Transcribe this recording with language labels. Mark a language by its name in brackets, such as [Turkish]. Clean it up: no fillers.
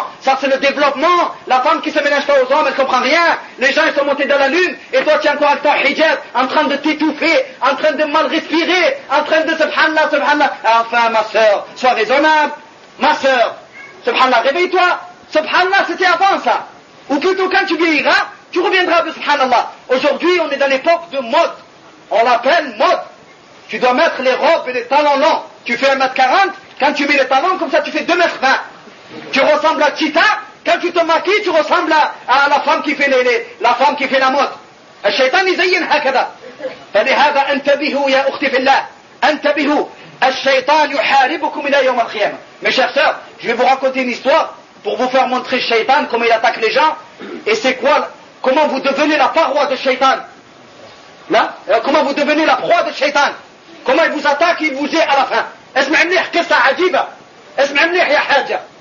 [French] ça c'est le développement la femme qui se mélange pas aux hommes elle comprend rien les gens ils sont montés dans la lune et toi tu es encore avec ton hijab en train de t'étouffer en train de mal respirer en train de subhanallah subhanallah enfin ma soeur sois raisonnable ma soeur subhanallah réveille-toi subhanallah c'était avant ça ou plutôt quand tu vieilliras tu reviendras de subhanallah aujourd'hui on est dans l'époque de mode on l'appelle mode. Tu dois mettre les robes et les talons longs. Tu fais 1m40, quand tu mets les talons, comme ça tu fais 2m20. Tu ressembles à Tita, quand tu te maquilles, tu ressembles à la femme qui fait la femme qui fait la mode. [Arabic] الشيطان يزين هكذا فلهذا انتبهوا يا اختي في الله انتبهوا الشيطان يحاربكم الى يوم القيامه [French] mes chers sœurs je vais vous raconter une histoire pour vous faire montrer le shaitan comment il attaque les gens et c'est quoi comment vous devenez la paroi de shaitan là comment vous devenez la proie de shaitan comment il vous attaque il vous est à la fin [Arabic] اسمع مليح قصه عجيبه اسمع مليح يا حاجه